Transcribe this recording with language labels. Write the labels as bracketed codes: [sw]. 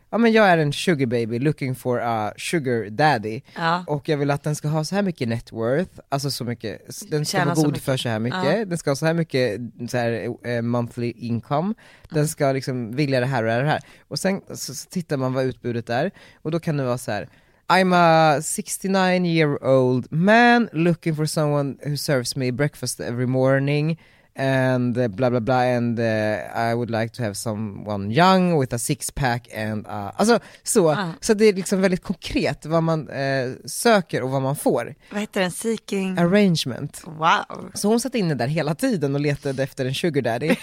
[sv] Ja, men jag är en sugar baby [en] looking for a sugar daddy. [sv] Ja. Och jag vill att den ska ha så här mycket net worth. Alltså så mycket. Den ska vara god för så här mycket. Ja. Den ska ha så här mycket så här, [en] monthly income. [sv] Den ska liksom vilja det här och det här. Och sen så tittar man vad utbudet är. Och då kan det vara så här. [en] I'm a 69 year old man looking for someone who serves me breakfast every morning. And blah blah blah, and I would like to have someone young with a six pack and [sv] alltså så så det är liksom väldigt konkret vad man söker och vad man får. Vad heter den? Seeking arrangement. Wow. Så hon satt inne där hela tiden och letade efter en sugar daddy.